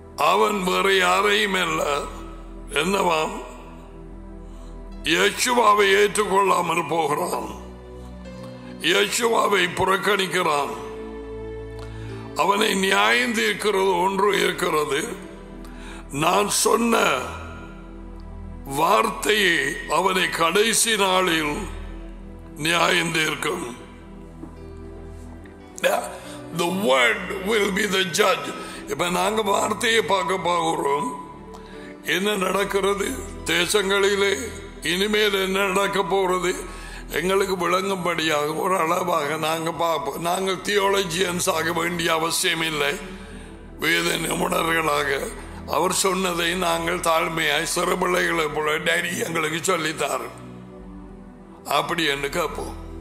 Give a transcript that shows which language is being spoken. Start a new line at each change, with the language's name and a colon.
Tamil: அவன் வேற யாரையும் அல்ல, என்னவாம், யேசுவாவை ஏற்றுக்கொள்ளாமல் போகிறான், யேசுவாவை புறக்கணிக்கிறான். அவனை நியாயம் தீர்க்கிறது ஒன்று இருக்கிறது. நான் சொன்ன வார்த்தையை அவனை கடைசி நாளில் நியாயம் தீர்க்கும்.
English: The word will be the judge.
Tamil: இப்ப நாங்க வார்த்தையை பார்க்க போகிறோம். என்ன நடக்கிறது தேசங்களிலே, இனிமேல் என்ன நடக்க போறது எங்களுக்கு விளங்கும்படியாக ஒரு அளவாக நாங்க பார்ப்போம். நாங்கள் தியோலஜியன்ஸ் ஆக வேண்டிய அவசியம் இல்லை. வேத நிபுணர்களாக அவர் சொன்னதை நாங்கள் தாழ்மையாய் சிறு பிள்ளைகளை போல டேடி எங்களுக்கு சொல்லித்தார் அப்படி என்று கேட்போம்.